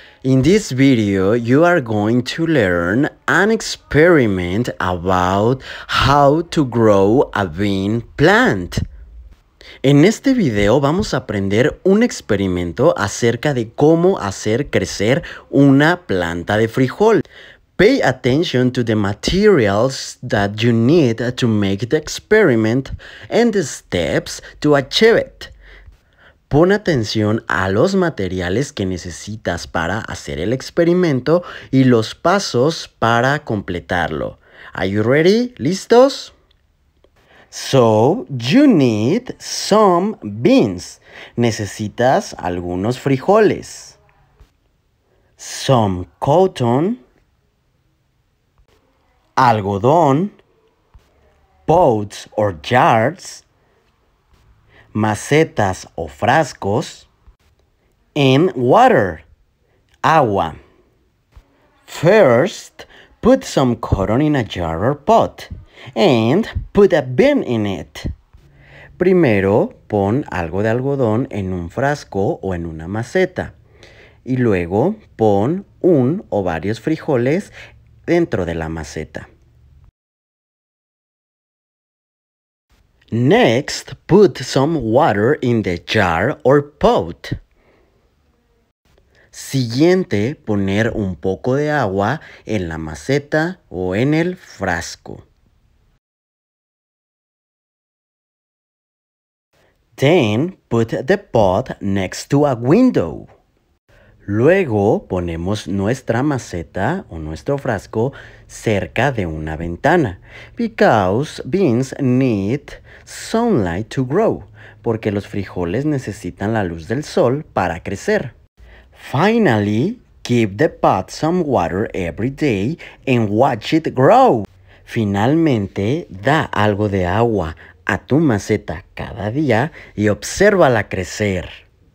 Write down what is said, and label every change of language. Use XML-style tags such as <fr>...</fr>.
<en>In this video, you are going to learn an experiment about how to grow a bean plant.</en> <es>En este video vamos a aprender un experimento acerca de cómo hacer crecer una planta de frijol.</es> <en>Pay attention to the materials that you need to make the experiment and the steps to achieve it.</en> <es>Pon atención a los materiales que necesitas para hacer el experimento y los pasos para completarlo.</es> <en>Are you ready? ¿Listos? So, you need some beans.</en> <es>Necesitas algunos frijoles.</es> <en>Some cotton. Algodón. Pots or jars.</en> <es>Macetas o frascos,</es> <en>and water,</en> <es>agua.</es> <en>First, put some cotton in a jar or pot, and put a bean in it.</en> <es>Primero, pon algo de algodón en un frasco o en una maceta, y luego pon un o varios frijoles dentro de la maceta.</es> <en>Next, put some water in the jar or pot.</en> <es>Siguiente, poner un poco de agua en la maceta o en el frasco.</es> <en>Then, put the pot next to a window.</en> <es>Luego, ponemos nuestra maceta o nuestro frasco cerca de una ventana.</es> <en>Because beans need sunlight to grow.</en> <es>Porque los frijoles necesitan la luz del sol para crecer.</es> <en>Finally, keep the pot some water every day and watch it grow.</en> <es>Finalmente, da algo de agua a tu maceta cada día y obsérvala crecer.</es>